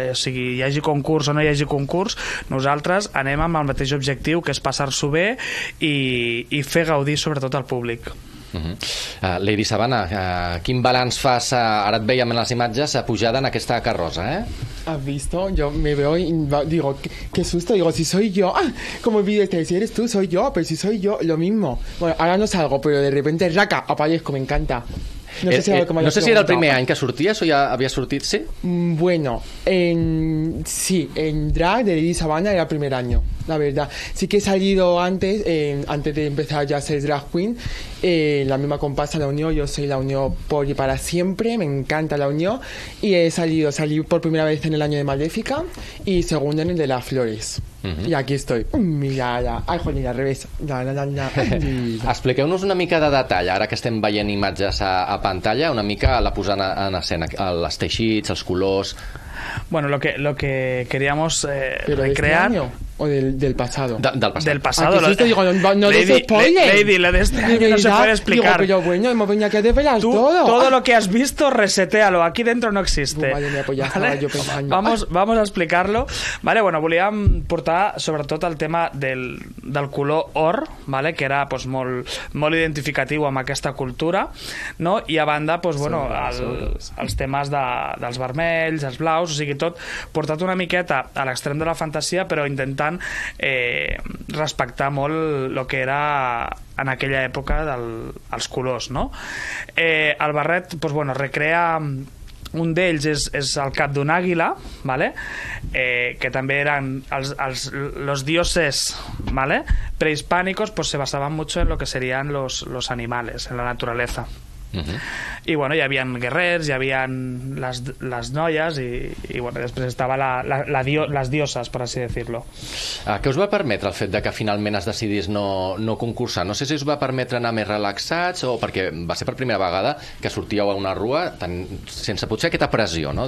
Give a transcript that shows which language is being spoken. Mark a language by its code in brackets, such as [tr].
[ca] O sigui, hi hagi concurs o no hi hagi concurs, nosaltres anem amb el mateix objectiu, que és passar-s'ho bé i fer gaudir sobretot al públic. Lady Sabana, quin balanç fas? Ara et veiem en les imatges pujada en aquesta carrosa, eh? [es] Has visto? Yo me veo y digo, qué susto. Digo, si soy yo. Ah, como vídeo te decía, eres tú, soy yo. Pero si soy yo, lo mismo. Bueno, ahora no salgo, pero de repente, raca, aparezco, me encanta. [ca] No sé si era el primer any que sorties o ja havia sortit, sí? [es] Bueno, en drag de Lady Sabana era el primer año, la verdad. Sí que he salido antes de empezar ya a ser drag queen, la misma comparsa La Unión. Yo soy La Unión por y para siempre, me encanta La Unión. Y he salí por primera vez en el año de Maléfica y segundo en el de Las Flores. I aquí estoy. Mira, ai, joder, al revés. [ca] Expliqueu-nos una mica de detall, ara que estem veient imatges a pantalla, una mica la posant en escena, els teixits, els colors... [es] Bueno, lo que queríamos recrear... ¿Pero este año o del pasado? Del pasado. Ah, que susto, digo, no des spoiler. Lady, lo de este año no se puede explicar. Digo, pero bueno, hemos venido aquí a desvelar todo. Todo lo que has visto, resetéalo, aquí dentro no existe. Madre mía, pues ya estaba yo pensando. Vamos a explicarlo. [ca] Vale, bueno, volíem portar sobretot el tema del color or, vale, que era pues molt identificatiu amb aquesta cultura, no? I a banda, pues bueno, els temes dels vermells, els blaus, o sigui, tot portat una miqueta a l'extrem de la fantasia, però intentant respectar molt el que era en aquella època els colors, no? El barret, pues bueno, recrea un d'ells és el cap d'un àguila, ¿vale? Que també eren els dioses, ¿vale? [es] Prehispànicos, pues se basaven mucho en lo que serían los animales, en la naturaleza. [ca] Uh-huh. I bueno, hi havia guerrers, hi havia les noies i bueno, després estava les dioses, per així dir-lo. Què us va permetre el fet de que finalment es decidís no concursar? No sé si us va permetre anar més relaxats o perquè va ser per primera vegada que sortíeu a una rua sense potser aquesta pressió, no?